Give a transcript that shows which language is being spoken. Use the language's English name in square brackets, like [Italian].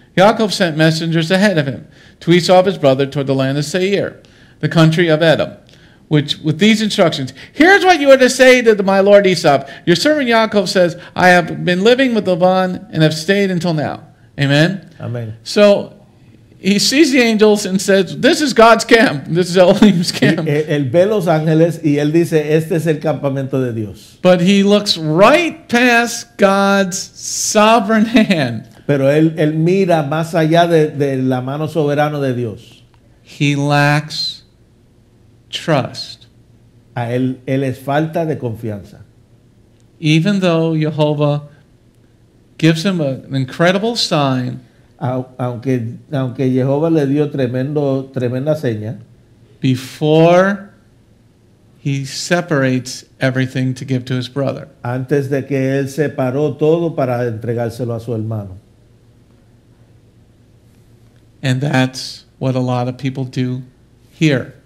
[English] Jacob sent messengers ahead of him, to Esau his brother, toward the land of Seir, the country of Edom, which with these instructions, "Here's what you are to say to my lord Esau. Your servant Jacob says, I have been living with Laban and have stayed until now." Amen? Amen. So, he sees the angels and says, "This is God's camp. This is Elohim's camp." [Spanish] Él ve los ángeles y él dice, "Este es el campamento de Dios." [English] But he looks right past God's sovereign hand. [Spanish] Pero él mira más allá de la mano soberana de Dios. [English] He lacks trust. [Spanish] A él es falta de confianza. [English] Even though Jehovah gives him an incredible sign. [Spanish] Aunque Jehová le dio tremenda seña, [English] before he separates everything to give to his brother, [Spanish] antes de que él separó todo para entregárselo a su hermano, [English] and that's what a lot of people do here.